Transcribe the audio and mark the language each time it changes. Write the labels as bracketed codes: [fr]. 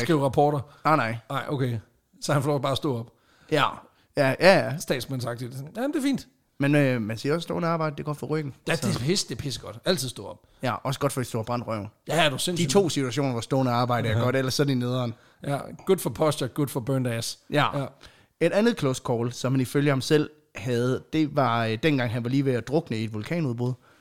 [da] ikke. Skrive rapporter. Ah, nej. Nej, okay. Så han får lov bare at stå op. Ja. Ja, ja, ja. Statsmandsagtigt. Ja, det er fint. Men man siger også, stående arbejde, det går for ryggen. Ja, det er pisse, det er pisse godt. Altid stå op. Ja, også godt for, at du har brændt røven. Ja, du sindssygt. De to situationer, hvor stående arbejde er godt, ellers så er de nederen. [en] Ja, good for posture, good for burned ass. [da] Ja. Ja. Et andet close call, som han ifølge ham selv havde, det var dengang, han var lige ved at drukne i et vulkanudbrud.